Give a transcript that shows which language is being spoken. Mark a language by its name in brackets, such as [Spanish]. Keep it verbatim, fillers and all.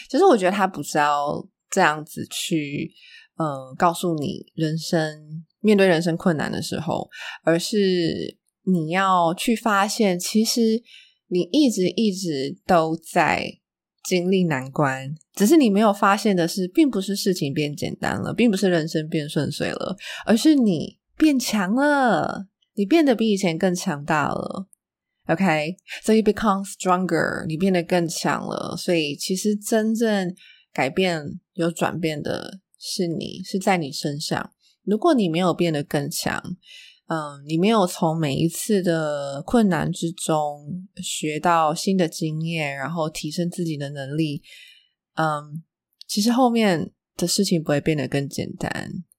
[Chinese] 其实我觉得他不是要这样子去呃告诉你人生面对人生困难的时候，而是你要去发现其实你一直一直都在经历难关，只是你没有发现的是，并不是事情变简单了，并不是人生变顺遂了，而是你变强了，你变得比以前更强大了。 [English] OK， so you become stronger， [Chinese] 你变得更强了。所以其实真正改变有转变的是你，是在你身上。如果你没有变得更强，嗯，你没有从每一次的困难之中学到新的经验，然后提升自己的能力，嗯，其实后面的事情不会变得更简单。